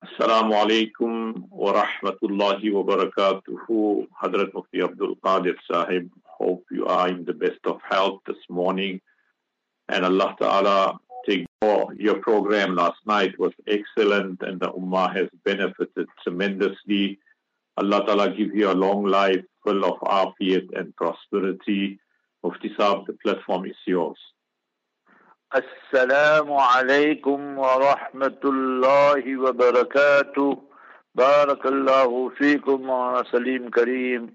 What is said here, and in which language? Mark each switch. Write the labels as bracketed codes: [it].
[ar] السلام عليكم ورحمة الله وبركاته. [en] حضرت مفتي عبد القادر صاحب, hope you are in the best of health this morning. And Allah Ta'ala, your program last night was excellent and the Ummah has benefited tremendously. Allah Ta'ala give you a long life full of afiyat and prosperity. Mufti Sahib, the platform is yours. [ar] السلام عليكم ورحمة الله وبركاته. بارك الله فيكم وسليم كريم.